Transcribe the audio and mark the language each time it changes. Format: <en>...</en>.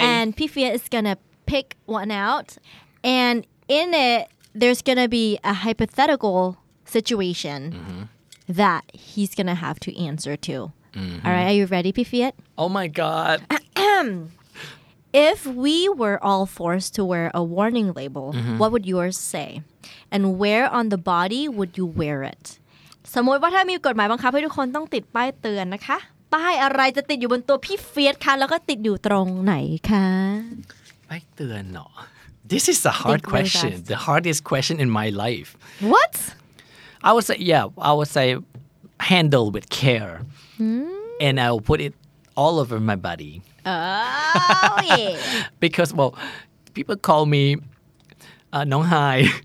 <en>And Pifia is going to pick one out. And in it, there's going to be a hypothetical situation mm-hmm. that he's going to have to answer to. Mm-hmm. All right. Are you ready, Pifia? Oh, my God. If we were all forced to wear a warning label, mm-hmm. what would yours say? And where on the body would you wear it?</en> <th>สมมุติว่าถ้ามีกฎหมายบังคับให้ทุกคนต้องติดป้ายเตือนนะคะป้ายอะไรจะติดอยู่บนตัวพี่เฟียสคะแล้วก็ติดอยู่ตรงไหนคะ ป้ายเตือนเนาะ</th> <en>This is a hard question. The hardest question in my life. What? I would say, handle with care. Hmm? And I will put it all over my body. Oh, yeah. Because, well, people call me Nong Hai.</en>